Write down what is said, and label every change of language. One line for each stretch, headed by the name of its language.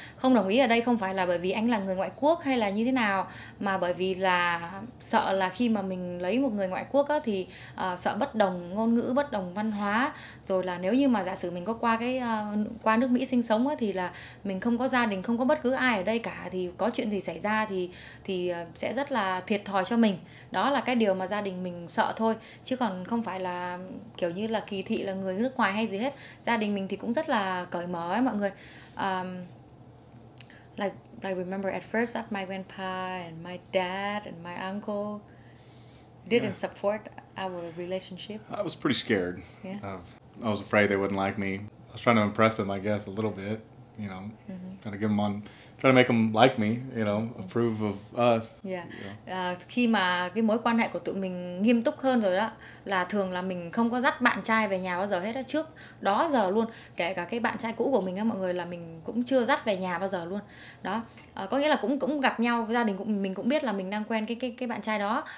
Vietnamese: Không đồng ý ở đây không phải là bởi vì anh là người ngoại quốc hay là như thế nào, mà bởi vì là sợ là khi mà mình lấy một người ngoại quốc á, thì sợ bất đồng ngôn ngữ, bất đồng văn hóa, rồi là nếu như mà giả sử mình có qua nước Mỹ sinh sống á, thì là mình không có gia đình, không có bất cứ ai ở đây cả, thì có chuyện gì xảy ra thì sẽ rất là thiệt thòi cho mình. Đó là cái điều mà gia đình mình sợ thôi, chứ còn không phải là kiểu như là kỳ thị là người nước ngoài hay gì hết. Gia đình mình thì cũng rất là cởi mở ấy mọi người.
English: Like remember at first that my grandpa and my dad and my uncle didn't support our relationship. I was pretty scared. I was afraid they wouldn't like me. I was trying to impress them, I guess, a little bit, you know, trying to make them like me, you know, approve of us. Yeah. You know.
Vietnamese: Khi mà cái mối quan hệ của tụi mình nghiêm túc hơn rồi đó, là thường là mình không có dắt bạn trai về nhà bao giờ hết á, trước đó giờ luôn, kể cả cái bạn trai cũ của mình á mọi người, là mình cũng chưa dắt về nhà bao giờ luôn. Đó. Có nghĩa là cũng gặp nhau, gia đình cũng mình cũng biết là mình đang quen cái bạn trai đó.